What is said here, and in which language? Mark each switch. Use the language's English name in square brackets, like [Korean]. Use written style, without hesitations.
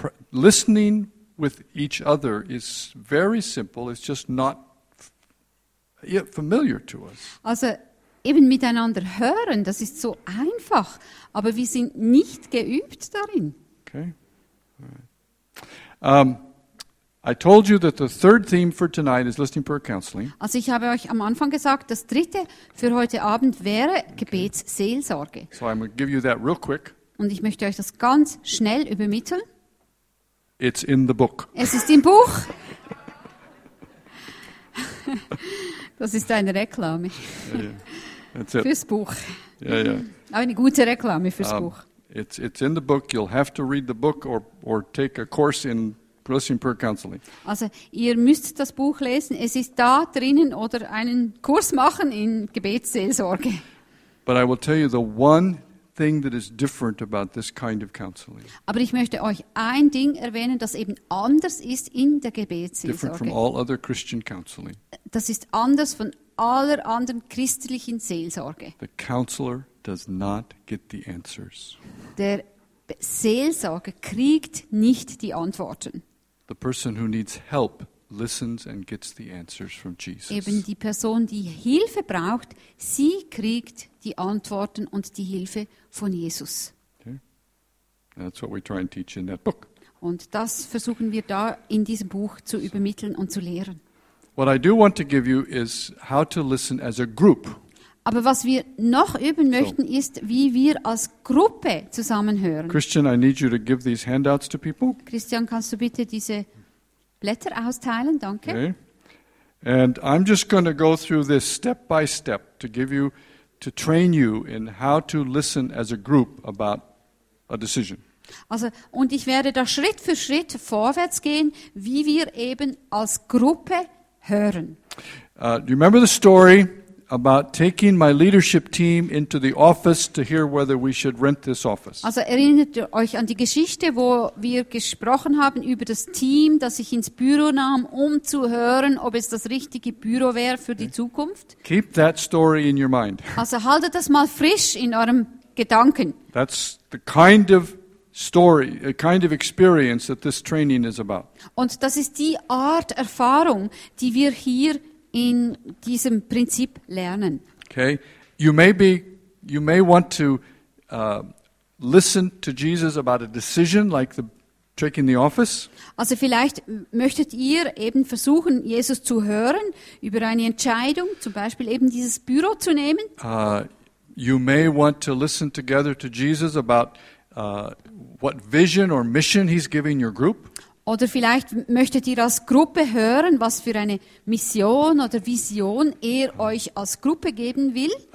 [English] Listening with each other is very simple. It's just not yet familiar to us. [German] Also, eben miteinander hören, das ist so einfach, aber wir sind nicht geübt darin. [English] Okay. I told you that the third theme for tonight is listening prayer counseling. [German] Also, ich habe euch am Anfang gesagt, das dritte für heute Abend wäre Gebetsseelsorge. [English] So I'm going to give you that real quick. [German] Und ich möchte euch das ganz schnell übermitteln. [English] It's in the book. [German] Es ist im Buch. Das ist eine Reklame. Fürs Buch. Eine gute Reklame fürs Buch. [English] It's in the book. You'll have to read the book or take a course in listening prayer counseling. [German] Also, ihr müsst das Buch lesen. Es ist da drinnen oder einen Kurs machen in Gebetsseelsorge. [English] But I will tell you the one thing that is different about this kind of counseling. [German] Aber ich möchte euch ein Ding erwähnen, das eben anders ist in der Gebetsseelsorge. [English] Different from all other Christian counseling. [German] Das ist anders von aller anderen christlichen Seelsorge. [English] The counselor does not get the answers. [German] Der Seelsorger kriegt nicht die Antworten. [English] The person who needs help listens and gets the answers from Jesus. [German] Eben die Person, die Hilfe braucht, sie kriegt die Antworten und die Hilfe von Jesus. [English] Okay. That's what we try and teach in that book. [German] Und das versuchen wir da in diesem Buch zu übermitteln und zu lehren. [English] What I do want to give you is how to listen as a group. [German] Aber was wir noch üben möchten, ist, wie wir als Gruppe zusammenhören. [English] Christian, I need you to give these handouts to people. [German] Christian, kannst du bitte diese Blätter austeilen, danke. [English] Okay. And I'm just going to go through this step by step to train you in how to listen as a group about a decision. [German] Also, und ich werde da Schritt für Schritt vorwärts gehen, wie wir eben als Gruppe hören. [English] Do you remember the story about taking my leadership team into the office to hear whether we should rent this office? [German] Also erinnert ihr euch an die Geschichte, wo wir gesprochen haben über das Team, das ich ins Büro nahm, um zu hören, ob es das richtige Büro wäre für die Zukunft? [English] Keep that story in your mind. [German] Also haltet das mal frisch in eurem Gedanken. [English] That's the kind of story, a kind of experience that this training is about. [German] Und das ist die Art Erfahrung, die wir hier in diesem Prinzip lernen. [English] Okay, you may want to listen to Jesus about a decision, like the check in the office. [German] Also vielleicht möchtet ihr eben versuchen, Jesus zu hören über eine Entscheidung, zum Beispiel eben dieses Büro zu nehmen. [English] You may want to listen together to Jesus about what vision or mission he's giving your group. [German] Oder vielleicht möchtet ihr als Gruppe hören, was für eine Mission oder Vision er euch als Gruppe geben will.